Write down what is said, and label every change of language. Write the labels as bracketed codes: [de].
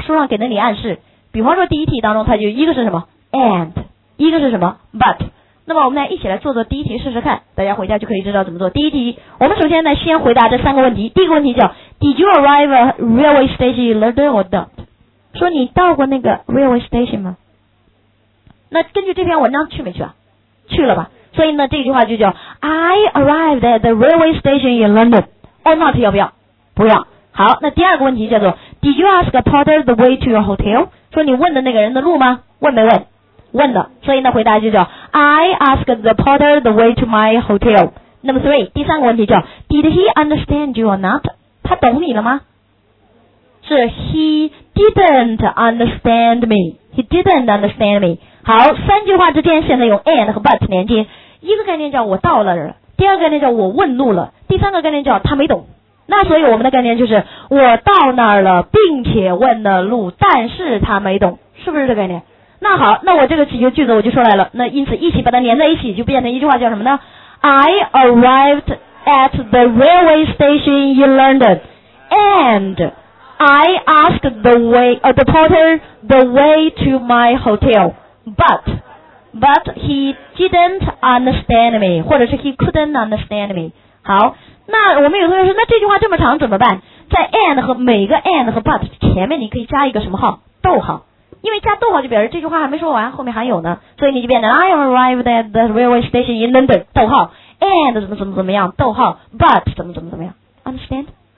[zh] 书上给了你暗示，比方说第一题当中它就一个是什么 and， 一个是什么 but。那么我们来一起来做做第一题试试看，大家回家就可以知道怎么做。第一题我们首先呢先回答这三个问题。第一个问题叫 [en] Did you arrive at railway station later or not？ [zh] 说你到过那个 railway station 吗？那根据这篇文章去没去啊？去了吧。所以呢这句话就叫 [en] I arrived at the railway station in London or not， [zh] 要不要？不要。好，那第二个问题叫做 [en] Did you ask a porter the way to your hotel？ [zh] 说你问的那个人的路吗？问没问？问的。所以呢回答就叫 [en] I asked the porter the way to my hotel。 Number three， [zh] 第三个问题叫 [en] Did he understand you or not？ [zh] 他懂你了吗？是 [en] He didn't understand me， He didn't understand me。 [zh] 好，三句话之间现在用 and 和 but 连接。一个概念叫我到了，第二个概念叫我问路了，第三个概念叫他没懂。那所以我们的概念就是我到那儿了并且问了路，但是他没懂，是不是这概念？那好，那我这个几个句子我就说来了，那因此一起把它连在一起就变成一句话叫什么呢？ [en] I arrived at the railway station in London and I asked the way the porter the way to my hotel but he didn't understand me， [zh] 或者是 [en] he couldn't understand me。 [zh] 好，那我们有同学说那这句话这么长怎么办？在 and 和每个 and 和 but 前面你可以加一个什么号？逗号。因为加逗号就表示这句话还没说完，后面还有呢，所以你就变成 [en] I arrived at the railway station in London [zh] 逗号 [en] and [zh] 怎么怎么怎么样逗号 [en] but 怎么怎么怎么样 understand。